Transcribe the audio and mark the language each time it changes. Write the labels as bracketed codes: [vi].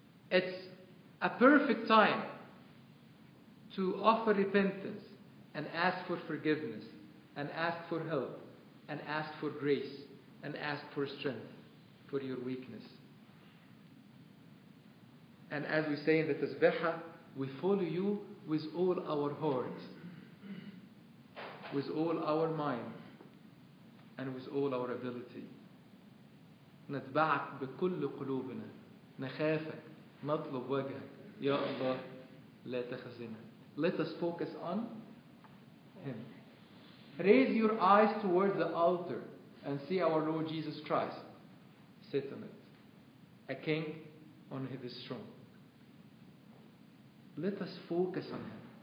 [en] It's a perfect time to offer repentance and ask for forgiveness and ask for help and ask for grace and ask for strength for your weakness. And as we say in the Tazbeha, we follow you with all our heart, with all our mind, and with all our ability. [ar] نتبعك بكل قلوبنا نخافك نطلب وجهك يا الله لا تخزنا. [en] Let us focus on Him. Raise your eyes towards the altar and see our Lord Jesus Christ sit on it, a king on His throne. Let us focus on Him.